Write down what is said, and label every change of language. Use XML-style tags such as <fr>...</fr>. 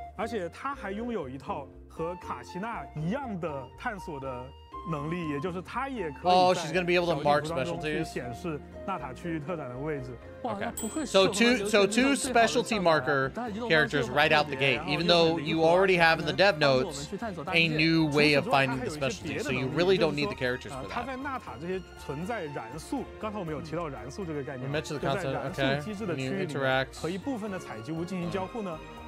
<zh>而且他还拥有一套和卡奇娜一样的探索的能力，也就是他也可以。</zh> <en>Oh, she's gonna be able to mark specialties.</en> <zh>显示纳塔区域特展的位置。</zh> <en>Okay. So two specialty marker characters right out the gate, even though you already have in the dev notes a new way of finding the specialty, so you really don't need the characters for that.</en> <zh>他在纳塔这些存在燃素，刚才我们有提到燃素这个概念。</zh> <en>We mentioned the concept. Okay. New interact.</en> <zh>和一部分的采集物进行交互呢。</zh>